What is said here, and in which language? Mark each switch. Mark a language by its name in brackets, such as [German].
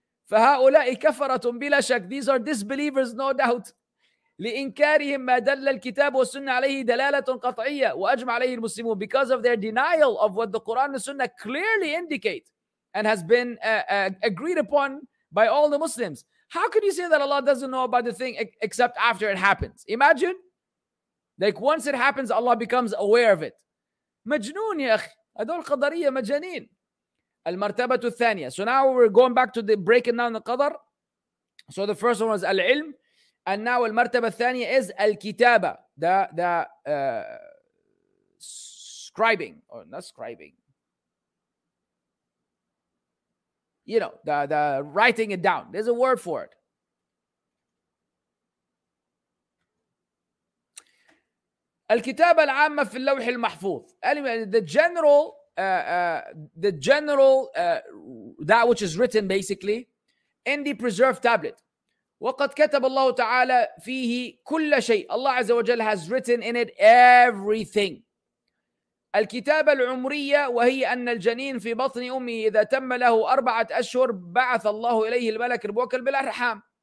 [Arabic] فهؤلاء كفرة بلا شك. [English] These are disbelievers, no doubt. [Arabic] لإنكارهم ما دل الكتاب والسنة عليه دلالة قطعية وأجمع عليه المسلمون. [English] Because of their denial of what the Quran and the Sunnah clearly indicate and has been agreed upon by all the Muslims. How could you say that Allah doesn't know about the thing except after it happens? Imagine, like once it happens, Allah becomes aware of it. [Arabic] مجنون يا أخي. هذول قدرية مجانين. المرتبة الثانية. [English] So now we're going back to the breaking down the qadar. So the first one was العلم. And now [Arabic] المرتبة الثانية [English] is الكتابة. The scribing. Or not scribing. You know, the writing it down. There's a word for it. [Arabic] الكتابة العامة في اللوح المحفوظ. [English] Anyway, the general that which is written basically in the preserved tablet. [Arabic] وقد كتب الله تعالى فيه كل شيء. [English] Allah عز وجل has written in it everything. [Arabic] الكتابة العمرية وهي أن الجنين في بطن أمه إذا تم له أربعة أشهر بعث الله إليه الملك الموكل بالأرحام.